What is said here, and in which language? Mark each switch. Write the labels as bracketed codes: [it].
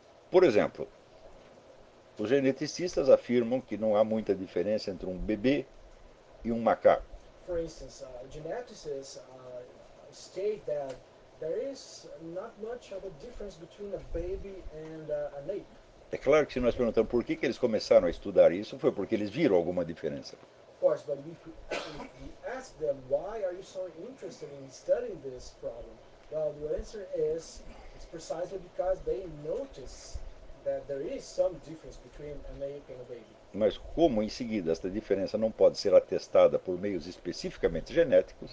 [pt] Por exemplo, os geneticistas afirmam que não há muita diferença entre um bebê e um macaco. [en] For instance, geneticists state that there is not much of a difference between a baby and an ape. [pt] É claro que se nós perguntamos por que eles começaram a estudar isso, foi porque eles viram alguma diferença. [en] Of course, but if we ask them, why are you so interested in studying this problem? Well, the answer is, it's precisely because they notice that there is some difference between a male and a baby. [pt] Mas como, em seguida, esta diferença não pode ser atestada por meios especificamente genéticos?